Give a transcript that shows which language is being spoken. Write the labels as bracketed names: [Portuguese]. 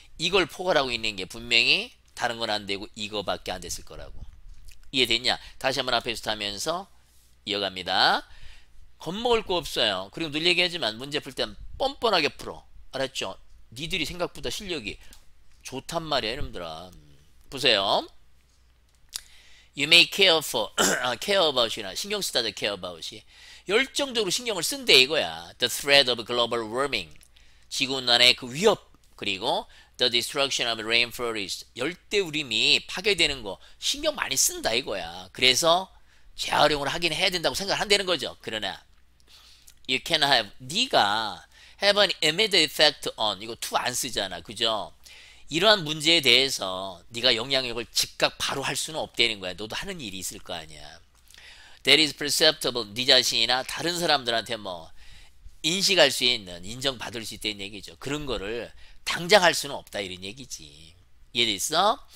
[Korean] 이걸 포괄하고 있는 게 분명히 다른 건안 되고 이거밖에 안 됐을 거라고. 이해 됐냐? 다시 한번 앞에서 하면서 이어갑니다. 겁먹을 거 없어요. 그리고 늘 얘기하지만 문제 풀땐 뻔뻔하게 풀어. 알았죠? 니들이 생각보다 실력이 좋단 말이야, 이놈들아. 보세요. [English] You may care for, care about이나 [Korean] 신경 쓰다, [English] care about이. [Korean] 열정적으로 신경을 쓴대, 이거야. [English] The threat of global warming. [Korean] 지구온난화의 그 위협. 그리고 [English] the destruction of rainforest. [Korean] 열대우림이 파괴되는 거 신경 많이 쓴다, 이거야. 그래서 재활용을 하긴 해야 된다고 생각을 한다는 거죠. 그러나, [English] you can have, [Korean] 네가 [English] have an immediate effect on, 이거 to [Korean] 안 쓰잖아. 그죠? 이러한 문제에 대해서 네가 영향력을 즉각 바로 할 수는 없다는 거야. 너도 하는 일이 있을 거 아니야. [English] That is perceptible. [Korean] 네 자신이나 다른 사람들한테 뭐 인식할 수 있는, 인정받을 수 있다는 얘기죠. 그런 거를 당장 할 수는 없다, 이런 얘기지. 이해됐어?